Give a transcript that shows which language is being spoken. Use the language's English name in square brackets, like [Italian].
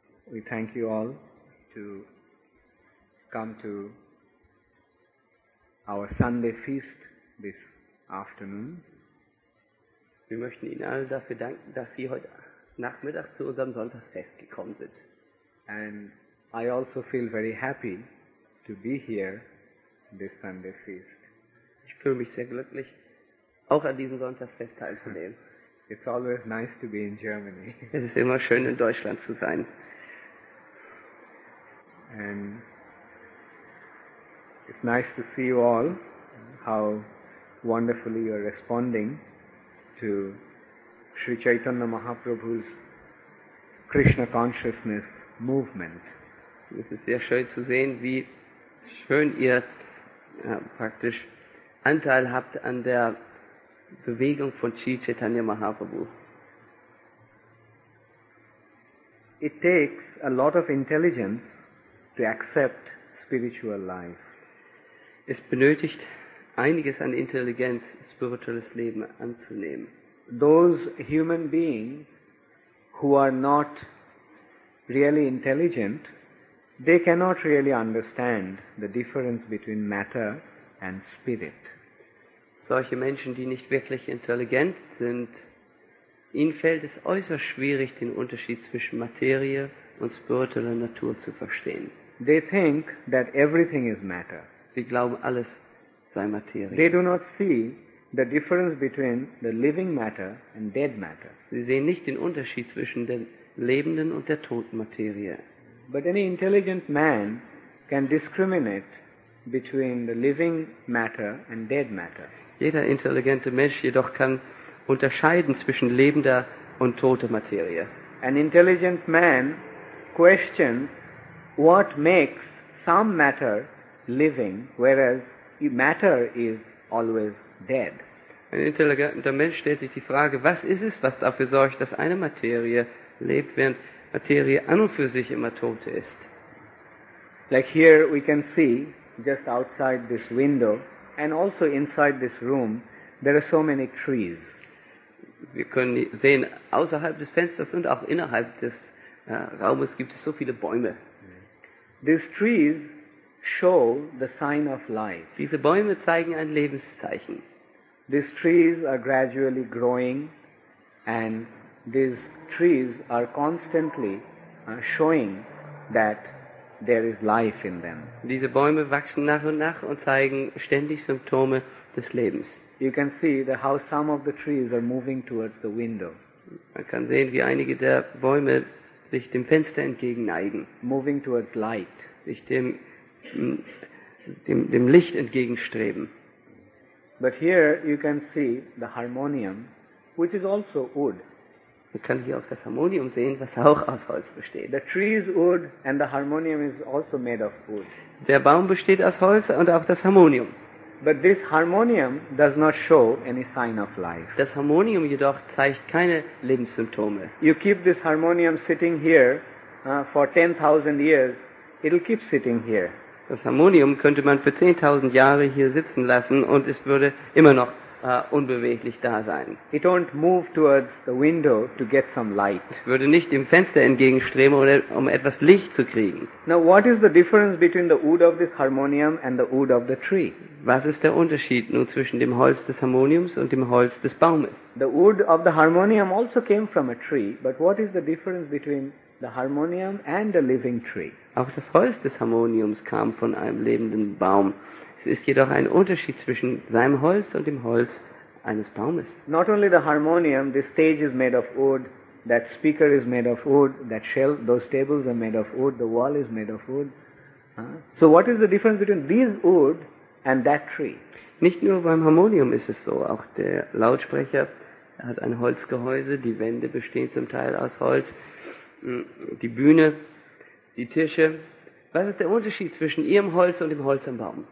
[English] We thank you all to come to our Sunday feast this afternoon. [German] Wir möchten Ihnen allen dafür danken, dass Sie heute Nachmittag zu unserem Sonntagsfest gekommen sind. [English] And I also feel very happy to be here this Sunday feast. [German] Ich fühle mich sehr glücklich, auch an diesem Sonntagsfest teilzunehmen. [English] It's always nice to be in Germany. [German] Es ist immer schön, in Deutschland zu sein. [English] And it's nice to see you all, how wonderfully you are responding to Sri Chaitanya Mahaprabhu's Krishna Consciousness Movement. [German] Es ist sehr schön zu sehen, wie schön ihr praktisch Anteil habt an der Bewegung von Sri Chaitanya Mahaprabhu. [English] It takes a lot of intelligence to accept spiritual life. [German] Es benötigt einiges an Intelligenz, spirituelles Leben anzunehmen. [English] Those human beings who are not really intelligent, they cannot really understand the difference between matter and spirit. [German] Solche Menschen, die nicht wirklich intelligent sind, ihnen fällt es äußerst schwierig, den Unterschied zwischen Materie und spiritueller Natur zu verstehen. [English] They think that everything is matter. [German] Sie glauben, alles sei Materie. [English] They do not see the difference between the living matter and dead matter. [German] Sie sehen nicht den Unterschied zwischen der lebenden und der toten Materie. [English] But any intelligent man can discriminate between the living matter and dead matter. [German] Jeder intelligente Mensch jedoch kann unterscheiden zwischen lebender und toter Materie. [English] An intelligent man questions what makes some matter living, whereas matter is always dead. [German] Ein intelligenter Mensch stellt sich die Frage, was ist es, was dafür sorgt, dass eine Materie lebt, während Materie an und für sich immer tot ist. [English] Like here we can see just outside this window. And also inside this room, there are so many trees. [German] Wir können sehen, außerhalb des Fensters und auch innerhalb des Raumes gibt es so viele Bäume. [English] These trees show the sign of life. [German] Diese Bäume zeigen ein Lebenszeichen. [English] These trees are gradually growing, and these trees are constantly showing that there is life in them. [German] Diese Bäume wachsen nach und nach und zeigen ständig Symptome des Lebens. [English] You can see the how some of the trees are moving towards the window. [German] Man kann sehen, wie einige der Bäume sich dem Fenster entgegen neigen, [English] moving towards light, [German] sich dem Licht entgegenstreben. [English] But here you can see the harmonium, which is also wood. [German] Man kann hier auch das Harmonium sehen, was auch aus Holz besteht. [English] The tree is wood and the harmonium is also made of wood. [German] Der Baum besteht aus Holz und auch das Harmonium. [English] But this harmonium does not show any sign of life. [German] Das Harmonium jedoch zeigt keine Lebenssymptome. [English] You keep this harmonium sitting here for 10,000 years, it'll keep sitting here. [German] Das Harmonium könnte man für 10,000 Jahre hier sitzen lassen und es würde immer noch unbeweglich da sein. [English] It won't move towards the window to get some light. [German] Es würde nicht dem Fenster entgegenstreben, um etwas Licht zu kriegen. [English] Now, what is the difference between the wood of this harmonium and the wood of the tree? [German] Was ist der Unterschied nun zwischen dem Holz des Harmoniums und dem Holz des Baumes? [English] The wood of the harmonium also came from a tree, but what is the difference between the harmonium and the living tree? [German] Auch das Holz des Harmoniums kam von einem lebenden Baum. Es ist jedoch ein Unterschied zwischen seinem Holz und dem Holz eines Baumes. [English] Not only the harmonium, this stage is made of wood, that speaker is made of wood, that shelf, those tables are made of wood, the wall is made of wood. So what is the difference between this wood and that tree? [German] Nicht nur beim Harmonium ist es so, auch der Lautsprecher hat ein Holzgehäuse, die Wände bestehen zum Teil aus Holz, die Bühne, die Tische. Was ist der Unterschied zwischen Ihrem Holz und dem Holz am Baum?